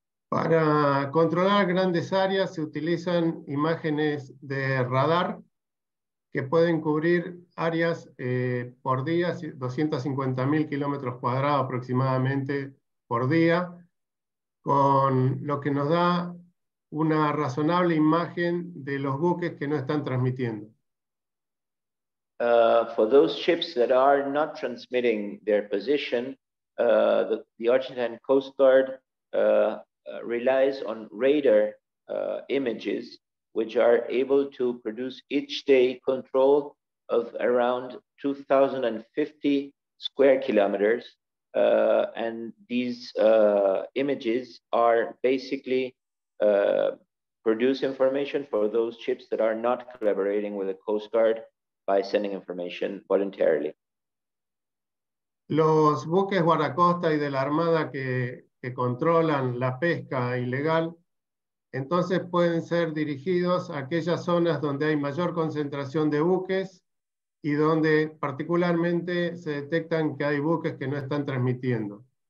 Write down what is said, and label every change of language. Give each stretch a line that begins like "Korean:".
Spanish: Para controlar grandes áreas se utilizan imágenes de radar que pueden cubrir áreas por día, 250,000 kilómetros cuadrados aproximadamente por día, con lo que nos da una razonable imagen de los buques que no están transmitiendo.
English: For those ships that are not transmitting their position, the Argentine Coast Guard relies on radar images, which are able to produce each day control of around 2,050 square kilometers. And these images are basically produce information for those ships that are not collaborating with the Coast Guard by sending information voluntarily.
Spanish: Los buques guardacosta y de la Armada que controlan la pesca ilegal, entonces pueden ser dirigidos a aquellas zonas donde hay mayor concentración de buques y donde particularmente se detectan que hay buques que no están transmitiendo.